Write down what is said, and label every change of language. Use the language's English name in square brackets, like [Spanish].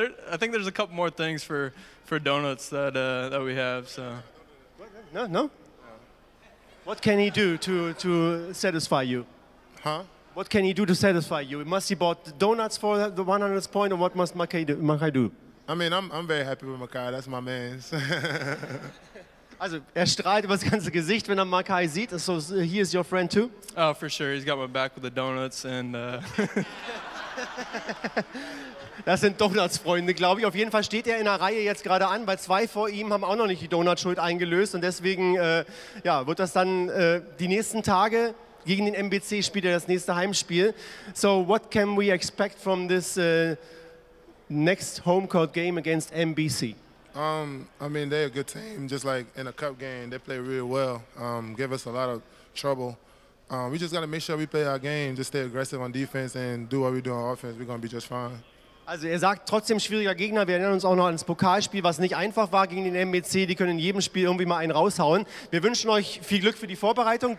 [English] I think there's a couple more things for donuts that we have. So. No. What can he do to satisfy you? Huh? What can he do to satisfy you? Must he bought donuts for the 100th point, or what must Makai do? I mean, I'm very happy with Makai. That's my man. [German] Also, er strahlt über das ganze Gesicht, wenn er Makai sieht. [English] So, he is your friend too? Oh, for sure. He's got my back with the donuts and. [German] Das sind Donuts-Freunde, glaube ich. Auf jeden Fall steht er in der Reihe jetzt gerade an, weil zwei vor ihm haben auch noch nicht die Donutschuld eingelöst und deswegen ja, wird das dann die nächsten Tage. Gegen den MBC spielt er das nächste Heimspiel. [English] So what can we expect from this next home court game against MBC? I mean, they're a good team, just like in a cup game. They play really well, give us a lot of trouble. We just got to make sure we play our game, just stay aggressive on defense and do what we do on offense. We're going to be just fine. [German] Also er sagt, trotzdem schwieriger Gegner. Wir erinnern uns auch noch ans Pokalspiel, was nicht einfach war gegen den MBC. Die können in jedem Spiel irgendwie mal einen raushauen. Wir wünschen euch viel Glück für die Vorbereitung.